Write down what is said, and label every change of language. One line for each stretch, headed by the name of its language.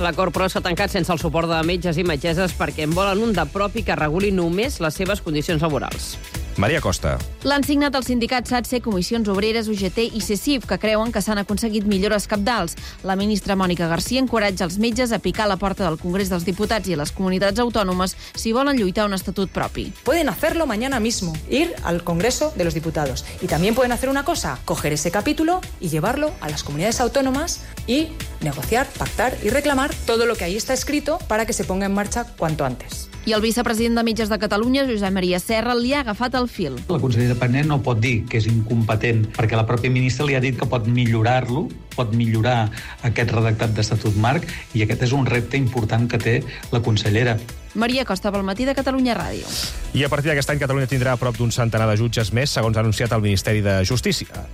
Catalan: L'acord, però, s'ha tancat sense el suport de metges i metgesses perquè en volen un de propi que reguli només les seves condicions laborals. Maria Costa. L'han signat els sindicats SATSE, Comissions Obreres, UGT i CESIF, que creuen que s'han aconseguit millores cabdals. La ministra Mònica García encoratja els metges a picar la porta del Congrés dels Diputats i les comunitats autònomes si volen lluitar un estatut propi.
Spanish: Pueden hacerlo mañana mismo, ir al Congreso de los Diputados. Y también pueden hacer una cosa, coger ese capítulo y llevarlo a las comunidades autónomas y negociar, pactar y reclamar todo lo que ahí está escrito para que se ponga en marcha cuanto antes.
Catalan: I el vicepresident de Mitges de Catalunya, Josep Maria Serra, li ha agafat el fil. La consellera Pané no pot dir que és incompetent, perquè la pròpia ministra li ha dit que pot millorar-lo, pot millorar aquest redactat d'Estatut Marc, i aquest és un repte important que té la consellera. Maria Costa, Balmatí, de Catalunya Ràdio. I a partir d'aquest any, Catalunya tindrà a prop d'un centenar de jutges més, segons ha anunciat el Ministeri de Justícia.